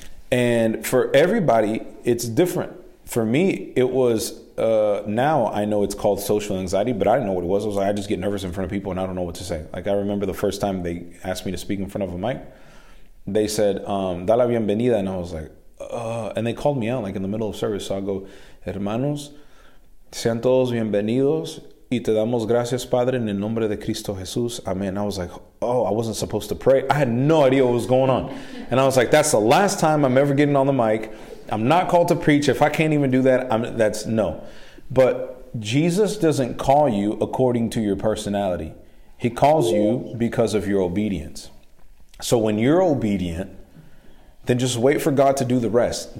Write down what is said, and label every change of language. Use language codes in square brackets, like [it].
[en] And for everybody, it's different. For me, it was, now I know it's called social anxiety, but I didn't know what it was. I was like, I just get nervous in front of people and I don't know what to say. Like, I remember the first time they asked me to speak in front of a mic. They said, [es] dale bienvenida. [en] And I was like, And they called me out, like, in the middle of service. So I go, [es] hermanos, sean todos bienvenidos. Y te damos gracias, Padre, en el nombre de Cristo Jesús. [en] Amen. I was like, oh, I wasn't supposed to pray. I had no idea what was going on. And I was like, that's the last time I'm ever getting on the mic. I'm not called to preach. If I can't even do that, that's no. But Jesus doesn't call you according to your personality. He calls you because of your obedience. So when you're obedient, then just wait for God to do the rest.